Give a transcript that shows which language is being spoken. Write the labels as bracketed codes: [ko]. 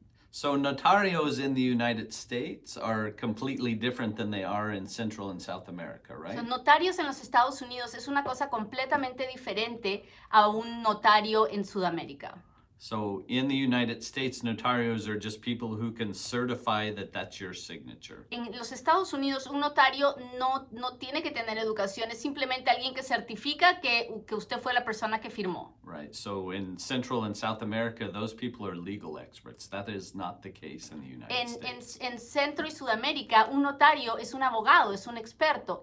[en] So notarios in the United States are completely different than they are in Central and South America, right? [es] So notarios en los Estados Unidos es una cosa completamente diferente a un notario en Sudamérica. [en] So in the United States, notarios are just people who can certify that that's your signature. [es] En los Estados Unidos, un notario no tiene que tener educación. Es simplemente alguien que certifica que usted fue la persona que firmó. [en] Right. So in Central and South America, those people are legal experts. That is not the case in the United States. [es] En Centro y Sudamérica, un notario es un abogado, es un experto.